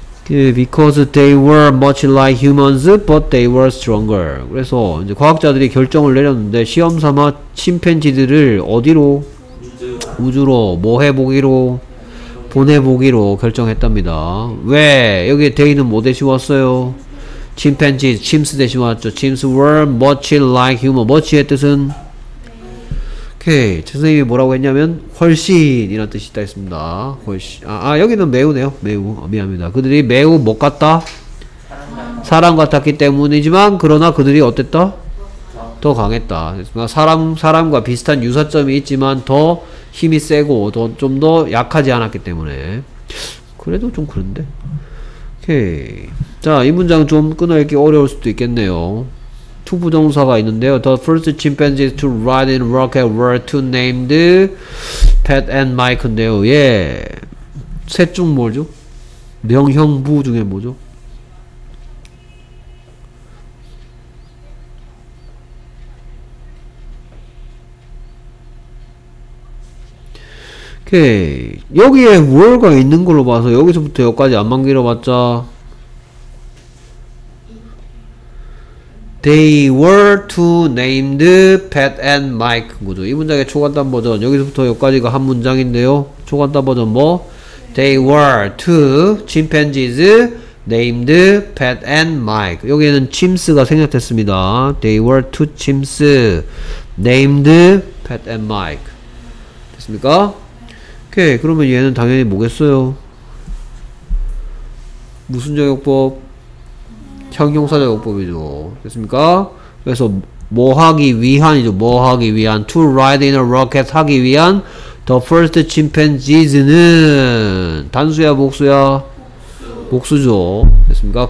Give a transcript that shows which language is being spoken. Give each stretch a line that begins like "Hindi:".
English: Because they were much like humans, but they were stronger.
Korean: 그래서 이제 과학자들이 결정을 내렸는데 시험삼아 침팬지들을 어디로? 우주로 뭐 해보기로? 보내보기로 결정했답니다. 왜? 여기 데이는 뭐 대신 왔어요? 침팬지, 침스 대신 왔죠.
English: Chimps were much like human.
Korean: much의 뜻은? 오케이. 선생님이 뭐라고 했냐면 훨씬이라는 뜻이 있다 했습니다. 훨씬. 여기는 매우네요. 매우. 미안합니다. 그들이 매우 뭐 같다? 사람 같았기 때문이지만 그러나 그들이 어땠다? 더 강했다. 사람과 비슷한 유사점이 있지만 더 힘이 세고 좀 더 약하지 않았기 때문에. 그래도 좀 그런데. 오케이. 자, 이 문장 좀 끊어읽기 어려울 수도 있겠네요. 투 부정사가 있는데요.
English: The first chimpanzees to ride in rocket were two named Pat and Mike
Korean: 인데요. 예. 셋 중 뭐죠? 명형 부 중에 뭐죠? 오케이. 여기에 월가 있는 걸로 봐서 여기서부터 여기까지 안만 길어봤자
English: They were two named Pat and Mike.
Korean: 뭐죠? 이 문장의 초간단 버전 여기서부터 여기까지가 한 문장인데요. 초간단 버전 뭐?
English: They were two chimpanzees named Pat and Mike.
Korean: 여기에는 chimps가 생략됐습니다.
English: They were two chimps named Pat and Mike.
Korean: 됐습니까? 오케이. 그러면 얘는 당연히 뭐겠어요? 무슨 적용법? 형용사 적용법이죠. 됐습니까? 그래서 뭐 하기 위한이죠. 뭐 하기 위한.
English: To ride in a rocket
Korean: 하기 위한 The first chimpanzees는 단수야 복수야? 복수죠. 됐습니까?